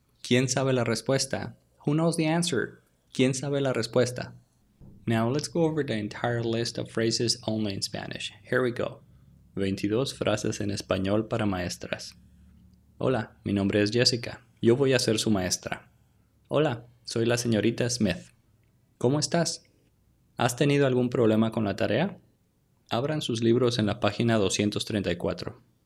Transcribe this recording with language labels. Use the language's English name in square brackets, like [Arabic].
[Spanish] ¿Quién sabe la respuesta? [English] Who knows the answer? [Spanish] ¿Quién sabe la respuesta? [English] Now let's go over the entire list of phrases only in Spanish. Here we go. [Spanish] 22 frases en español para maestras. Hola, mi nombre es Jessica. Yo voy a ser su maestra. Hola, soy la señorita Smith. ¿Cómo estás? ¿Has tenido algún problema con la tarea? Abran sus libros en la página 234.